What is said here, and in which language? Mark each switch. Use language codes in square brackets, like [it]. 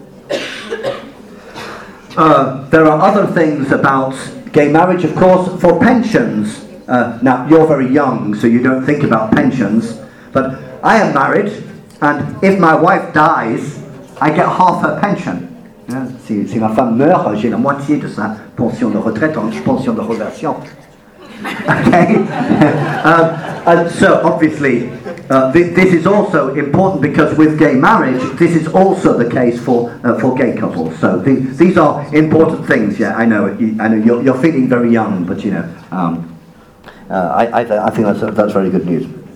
[en] There are other things about gay marriage, of course, for pensions. Now, you're very young, so you don't think about pensions. But I am married, and if my wife dies, I get half her pension. [fr] Si ma femme meurt, j'ai la moitié de sa pension de retraite en pension de reversion. [en] Okay? And so, obviously, this is also important because with gay marriage, this is also the case for gay couples. So these are important things. Yeah, I know you're feeling very young, but you know, I think that's very good news.